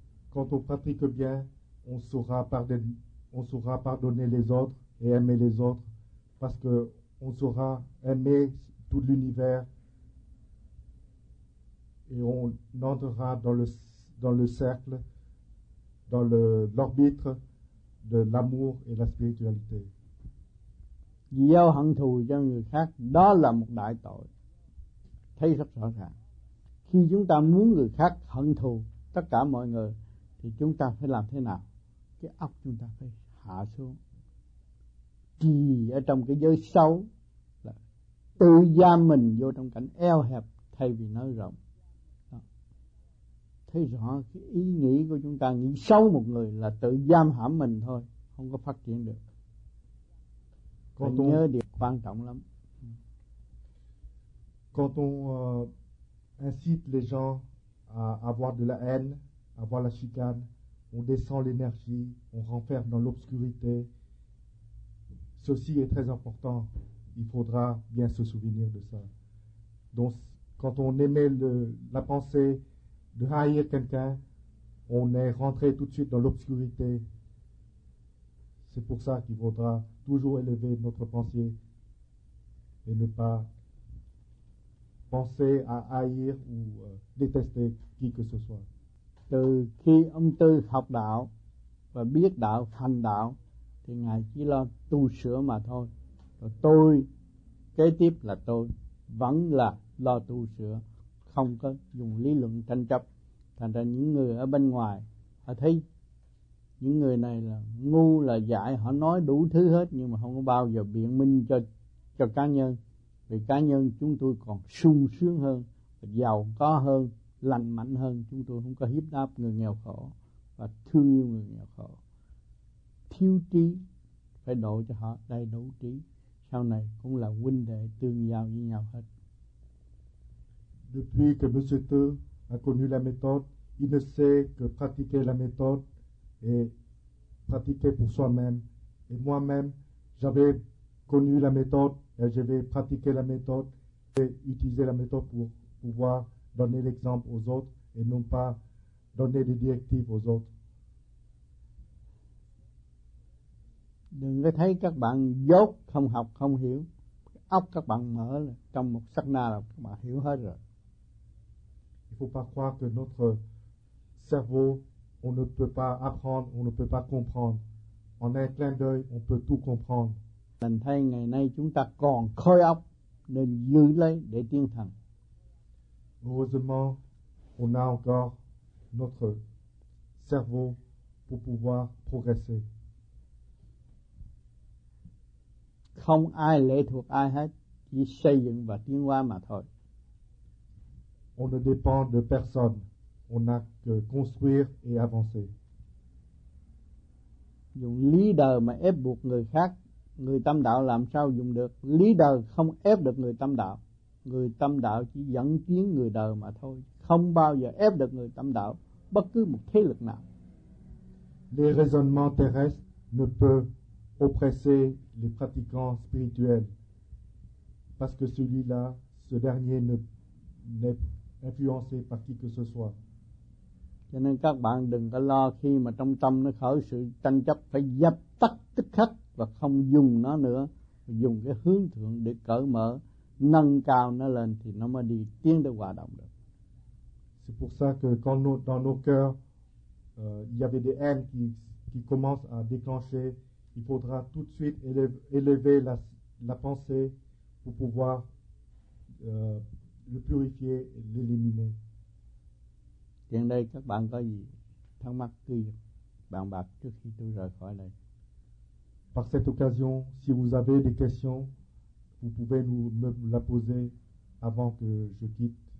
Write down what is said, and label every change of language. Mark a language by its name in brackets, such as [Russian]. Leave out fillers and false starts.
[French] quand on pratique bien, on saura pardonner, les autres et aimer les autres, parce que on saura aimer tout l'univers et on entrera dans le cercle, dans l'orbite de l'amour et la spiritualité. [Vietnamese] Gieo hận thù cho người khác, đó là một đại tội. Thấy rất rõ ràng. Khi chúng ta muốn người khác hận thù tất cả mọi người thì chúng ta phải làm thế nào? Cái óc chúng ta phải hạ xuống, trì ở trong cái giới xấu, là tự giam mình vô trong cảnh eo hẹp thay vì nói rộng. Đó. Thấy rõ cái ý nghĩ của chúng ta nghĩ xấu một người là tự giam hãm mình thôi, không có phát triển được. Nhớ điều quan trọng lắm. [French] Quand on incite les gens à avoir de la haine, à avoir la chicane, on descend l'énergie, on renferme dans l'obscurité. Ceci est très important, il faudra bien se souvenir de ça. Donc, quand on émet la pensée de haïr quelqu'un, on est rentré tout de suite dans l'obscurité. C'est pour ça qu'il faudra toujours élever notre pensée et ne pas penser à haïr ou détester qui que ce soit. [Vietnamese] Từ khi ông Tư học đạo và biết đạo, hành đạo thì ngài chỉ lo tu sửa mà thôi. Rồi tôi kế tiếp là tôi vẫn là lo tu sửa, không có dùng lý luận tranh chấp. Thành ra những người ở bên ngoài họ thấy những người này là ngu là dại, họ nói đủ thứ hết nhưng mà không có bao giờ biện minh cho cá nhân. Vì cá nhân chúng tôi còn sung sướng hơn, giàu có hơn, lành mạnh hơn. Chúng tôi không có hiếp đáp người nghèo khổ và thương yêu người nghèo khổ. Thiếu trí, phải độ cho họ đầy đủ trí. Sau này cũng là huynh đệ tương giao với nhau hết. [French] Depuis que Monsieur Tư a connu la méthode, il ne sait que pratiquer la méthode et pratiquer pour soi-même. Et moi-même, j'avais connu la méthode. Et je vais pratiquer la méthode et utiliser la méthode pour pouvoir donner l'exemple aux autres et non pas donner des directives aux autres. [Vietnamese] Đừng có thấy các bạn dốt, không học, không hiểu. Óc các bạn mở là trong một sắc na là các bạn hiểu hết rồi. [French] Il ne faut pas croire que notre cerveau, on ne peut pas apprendre, on ne peut pas comprendre. En un clin d'œil, on peut tout comprendre. [Vietnamese] Mình thấy ngày nay chúng ta còn khôi óc nên giữ lấy để tiến thần. [French] Heureusement, on a encore notre cerveau pour pouvoir progresser. [Vietnamese] Không ai lệ thuộc ai hết, chỉ xây dựng và tiến hóa mà thôi. [French] On ne dépend de personne, on n'a que construire et avancer. [Vietnamese] Dùng lý đời mà ép buộc người khác, người tâm đạo làm sao dùng được? Lý đời không ép được người tâm đạo. Người tâm đạo chỉ dẫn tiến người đời mà thôi, không bao giờ ép được người tâm đạo bất cứ một thế lực nào. [French] Les raisonnements terrestres ne peuvent oppresser les pratiquants spirituels parce que celui-là, ce dernier n'est influencé par qui que ce soit. [Vietnamese] Cho nên các bạn đừng có lo khi mà trong tâm nó khởi sự tranh chấp phải dập tắt tức khắc và không dùng nó nữa, dùng cái hướng thượng để cởi mở, nâng cao nó lên thì nó mới đi tiến tới hòa đồng được. [French] C'est pour ça que quand dans nos cœurs il y avait des haines qui commencent à déclencher, il faudra tout de suite élever la pensée pour pouvoir le purifier et l'éliminer. [Vietnamese] Hiện đây các bạn có gì thắc mắc cứ bàn bạc trước khi tôi rời khỏi đây. [French] Par cette occasion, si vous avez des questions, Vous pouvez nous me la poser avant que je quitte.